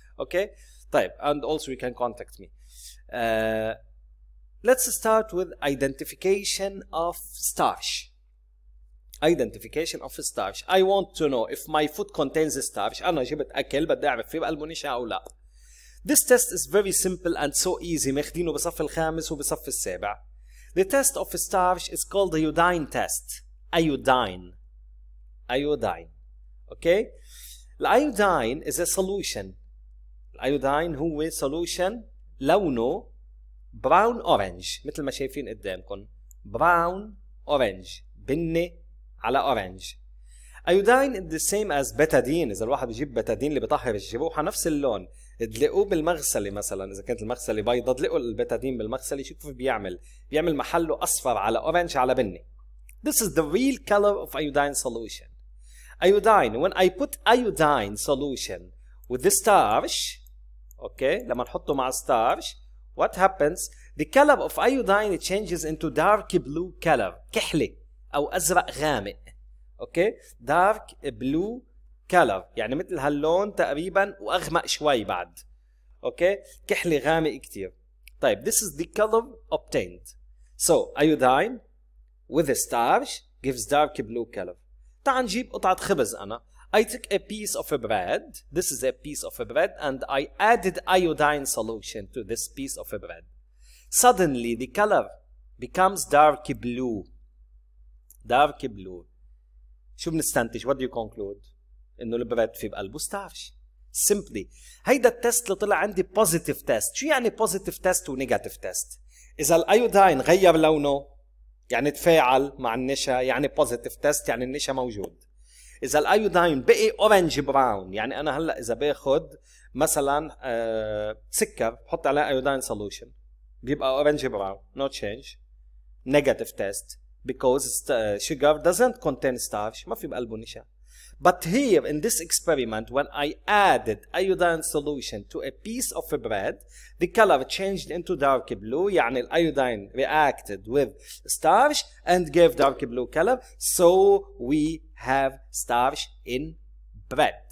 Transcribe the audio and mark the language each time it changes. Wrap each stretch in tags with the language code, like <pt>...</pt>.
<en>Okay, طيب, and also you can contact me. Let's start with identification of starch. Identification of starch. I want to know if my food contains starch.</en> <ar>أنا جبت أكل بدي أعرف في بقلبه نشا أو لا.</ar> <en>This test is very simple and so easy.</en> <ar>ماخدينه بصف الخامس وبصف السابع.</ar> <en>The test of starch is called the iodine test. Iodine. Iodine. Okay. The iodine is a solution.</en> <ar>الايودين هو سولوشن لونه براون اورنج, مثل ما شايفين قدامكم, براون اورنج, بني على اورنج.</ar> <en>iodine the same as</en> <ar>بيتادين. اذا الواحد بجيب بيتادين اللي بطهر الجروح, نفس اللون, تلاقوه بالمغسله مثلا, اذا كانت المغسله بيضة تلاقوا البيتادين بالمغسله. شوف كيف بيعمل, بيعمل محله اصفر على اورنج على بني.</ar> <en>This is the real color of iodine solution. Iodine, when I put iodine solution with the starch, okay,</en> <ar>لما نحطه مع</ar> <en>starch, what happens? The color of iodine changes into dark blue color.</en> <ar>كحلي أو أزرق غامق. Okay?</ar> <en>Dark blue color.</en> <ar>يعني مثل هاللون تقريبا وأغمق شوي بعد. Okay? كحلي غامق كتير.</ar> <en>طيب, this is the color obtained. So, iodine with the starch gives dark blue color.</en> <ar>تعال نجيب قطعة خبز أنا.</ar> <en>I took a piece of a bread. This is a piece of a bread. And I added iodine solution to this piece of a bread. Suddenly, the color becomes dark blue. Dark blue.</en> <ar>شو بنستنتج?</ar> <en>What do you conclude?</en> <ar>إنه البريد في بقلبه starch.</ar> <en>Simply,</en> <ar>هيدا التست اللي طلع عندي positive test. شو يعني positive test و negative test? إذا الأيودين غير لونه, يعني تفاعل مع النشا, يعني positive test, يعني النشا موجود. إذا الأيودين بقي orange brown, يعني أنا هلأ إذا بأخذ مثلاً سكر, حط على أيودين solution.</ar> <en>بيبقى orange brown, no change. Negative test, because sugar doesn't contain starch,</en> <ar>ما في بقلبه نشا.</ar> <en>But here, in this experiment, when I added iodine solution to a piece of a bread, the color changed into dark blue,</en> <ar>يعني الأيودين</ar> <en>reacted with starch and gave dark blue color, so we have starch in bread.</en>